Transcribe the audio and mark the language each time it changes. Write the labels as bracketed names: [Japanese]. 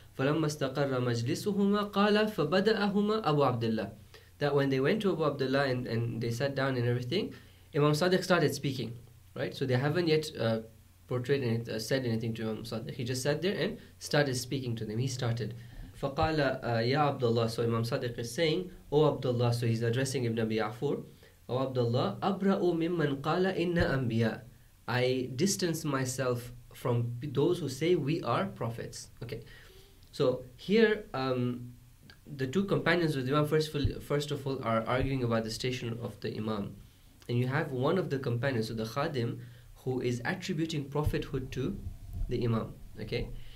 [Arabic] فَلَمَّا اسْتَقَرَّ مَجْلِسُهُمَا قَالَ فَبَدَأَهُمَا أَبُو عَبْدِلَّهِ, [English] that when they went to Abu Abdullah and they sat down and everything, Imam Sadiq started speaking, right? So they haven't yet portrayed and said anything to Imam Sadiq. He just sat there and started speaking to them. He started. [Arabic] فقال يا عبد الله. [English] So Imam Sadiq is saying, O Abdullah. So he's addressing Ibn Abi Ya'far. O Abdullah, [Arabic] أبرأ ممن قال إن أنبياء. [English] I distance myself from those who say we are prophets. Okay. So here, the two companions of the Imam, first of all, are arguing about the station of the Imam. And you have one of the companions, so the Khadim, who is attributing prophethood to the Imam. Okay.